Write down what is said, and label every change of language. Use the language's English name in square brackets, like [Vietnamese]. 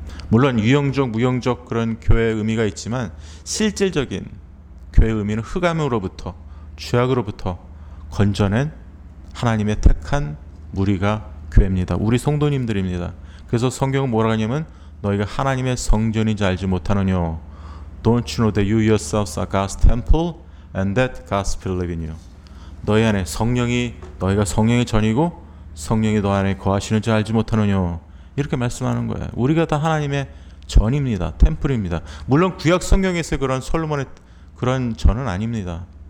[Korean] 물론 유형적, 무형적 그런 교회의 의미가 있지만 실질적인 교회의 의미는 흑암으로부터, 죄악으로부터 건져낸 하나님의 택한 무리가 교회입니다. 우리 성도님들입니다. 그래서 성경은 뭐라고 하냐면 너희가 하나님의 성전인지 알지 못하느뇨. [English] Don't you know that you yourselves are God's temple and that God's spirit live in you. [Korean] 너희 안에 성령이, 너희가 성령의 전이고 성령이 너 안에 거하시는지 알지 못하느뇨. 이렇게 말씀하는 거예요. 우리가 다 하나님의 전입니다. 템플입니다. 물론 구약 성경에서 그런 솔로몬의 그런 전은 아닙니다.